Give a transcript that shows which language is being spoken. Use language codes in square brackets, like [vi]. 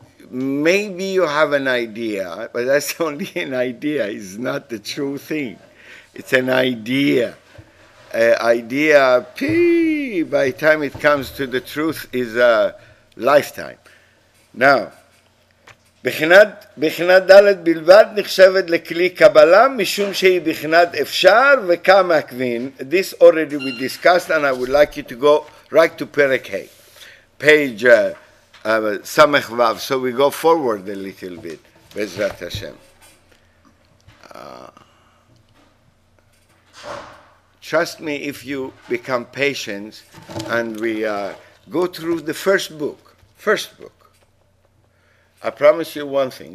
[en] Maybe you have an idea, but that's only an idea. It's not the true thing. It's an idea. By the time it comes to the truth, is a lifetime. [he] Now, בחינת דלת בלבד נחשבת לכלי קבלה משום שהיא בחינת אפשר וכמה כבין. [en] This already we discussed, and I would like you to go right to פרק ה'. Page Samech Vav. So we go forward a little bit. Bezrat Hashem. Trust me, if you become patient and we go through the first book, I promise you one thing.